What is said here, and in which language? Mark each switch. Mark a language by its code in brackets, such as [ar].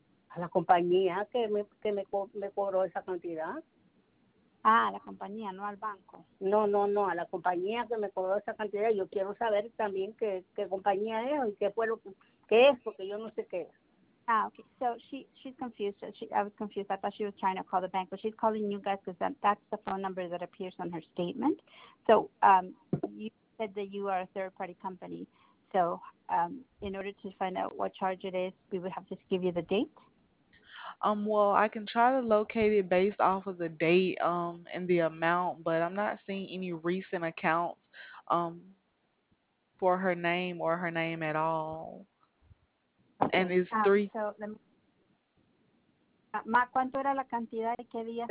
[es] A la compañía que me cobró esa cantidad. Ah, a la compañía, no al banco. No, a la compañía que me cobró esa cantidad. Yo quiero saber también qué compañía es y qué es, porque yo no sé qué es. [en] Ah, okay. So she's confused. I was confused. I thought she was trying to call the bank, but she's calling you guys because that's the phone number that appears on her statement. So you said that you are a third-party company. So in order to find out what charge it is, we would have to give you the date? Well, I can try to locate it based off of the date and the amount, but I'm not seeing any recent accounts for her name or her name at all. Okay. And it's three. So let me... [es] Ma, ¿cuánto era la cantidad y qué día?